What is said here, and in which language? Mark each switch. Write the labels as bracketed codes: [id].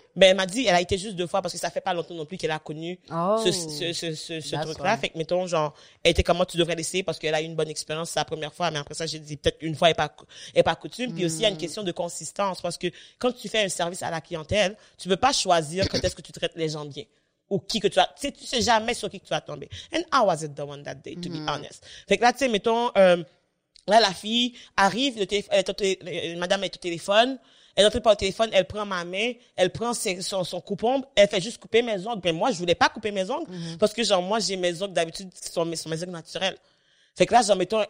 [fr] Ben, elle m'a dit, elle a été juste deux fois parce que ça fait pas longtemps non plus qu'elle a connu ce truc-là. Fait que, mettons, genre, elle était comme moi, tu devrais l'essayer parce qu'elle a eu une bonne expérience sa première fois. Mais après ça, j'ai dit, peut-être une fois, elle est pas coutume. Puis aussi, il y a une question de consistance parce que quand tu fais un service à la clientèle, tu peux pas choisir quand est-ce que tu traites les gens bien. Ou qui que tu as, tu sais jamais sur qui que tu as tombé. [en] And how was it the one that day, to be honest? [fr] Fait que là, tu sais, mettons, là, la fille arrive, madame est au téléphone, elle entre pas au téléphone, elle prend ma main, elle prend son coupon, elle fait juste couper mes ongles. Mais moi, je voulais pas couper mes ongles, parce que genre, moi, j'ai mes ongles d'habitude, sont mes ongles naturels. Fait que là, genre, mettons...